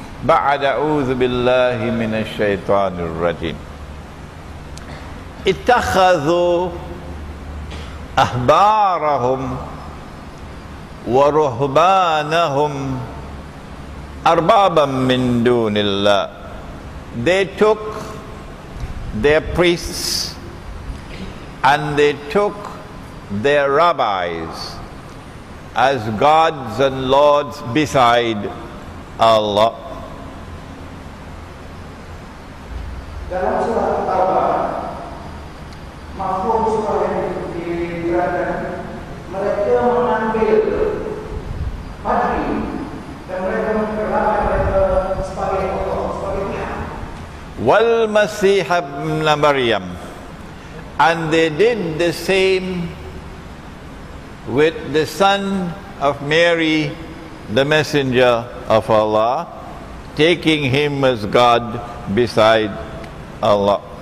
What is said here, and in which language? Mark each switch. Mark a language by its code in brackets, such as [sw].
[ar] بعد أعوذ بالله من الشيطان الرجيم اتخذوا أحبارهم ورهبانهم أربابا من دون الله. [en] They took their priests and they took their rabbis as gods and lords beside Allah. [ms] Dalam surah Taubah, mafhum surah yang diberikan, mereka mengambil padri dan mereka memperlakukan mereka sebagai Allah, sebagai Tuhan. [ar] Wal Masih ibn Maryam. [en] And they did the same with the son of Mary, the messenger of Allah, taking him as God beside Allah.